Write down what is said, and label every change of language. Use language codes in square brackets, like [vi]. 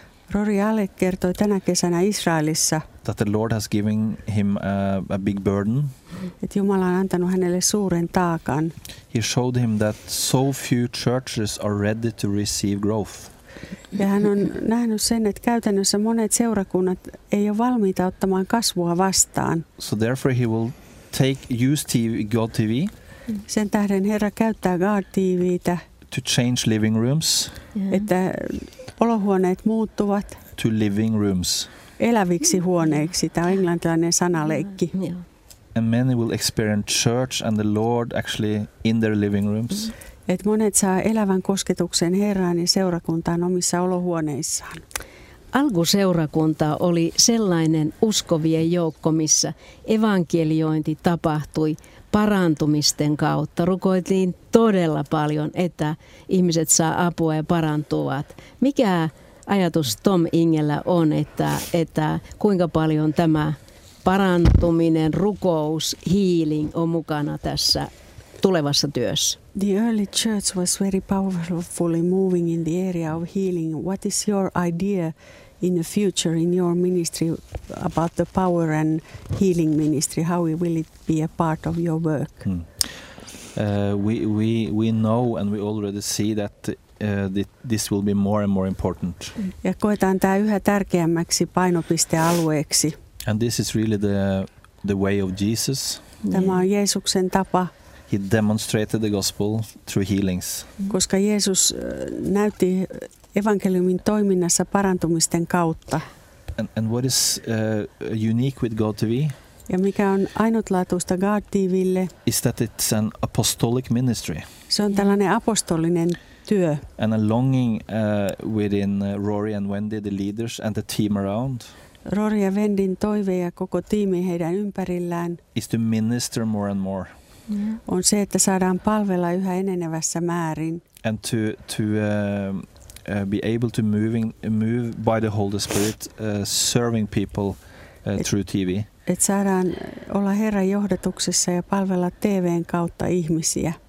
[fi] Rory Alec kertoi tänä kesänä Israelissa, [en] that the Lord has given him a big burden. [fi] Että Jumala on antanut hänelle suuren taakan. [en] He showed him that so few churches are ready to receive growth. [fi] Ja hän on nähnyt sen, että käytännössä monet seurakunnat ei ole valmiita ottamaan kasvua vastaan. [en] So therefore he will use TV, God TV. [fi] Sen tähden Herra käyttää God TV:tä. [en] To change living rooms. [fi] Että olohuoneet muuttuvat. [en] To living rooms. [fi] Eläviksi huoneiksi. Tämä on englantilainen sanaleikki. [en] And many will experience church and the Lord actually in their living rooms. [fi] Et monet saa elävän kosketuksen Herraan ja seurakuntaan omissa olohuoneissaan. Alkuseurakunta oli sellainen uskovien joukko, missä evankeliointi tapahtui parantumisten kautta. Rukoitiin todella paljon, että ihmiset saa apua ja parantuvat. Mikä ajatus Tom Ingellä on, että kuinka paljon tämä parantuminen, rukous, healing on mukana tässä tulevassa työssä? [en] The early church was very powerfully moving in the area of healing. What is your idea in the future in your ministry about the power and healing ministry? How will it be a part of your work? We know and we already see that this will be more and more important. [fi] Ja koetaan tämä yhä tärkeämmäksi painopistealueeksi. [en] And this is really the way of Jesus. [fi] Tämä on Jeesuksen tapa. [en] He demonstrated the gospel through healings. [fi] Koska Jeesus näytti evankeliumin toiminnassa parantumisten kautta. [en] And what is unique with God TV? [fi] Ja mikä on ainutlaatuista God TV:lle? [en] Is that it's an apostolic ministry. [fi] Se on tällainen apostolinen työ. [en] And a longing within Rory and Wendy, the leaders and the team around. [fi] Rory ja Wendyn toive ja koko tiimi heidän ympärillään. [en] Is to minister more and more. [fi] On se, että saadaan palvella yhä enenevässä määrin. [en] And to be able to move by the Holy Spirit, serving people through TV. [fi] Et saadaan olla Herran johdatuksessa ja palvella TV:n kautta ihmisiä.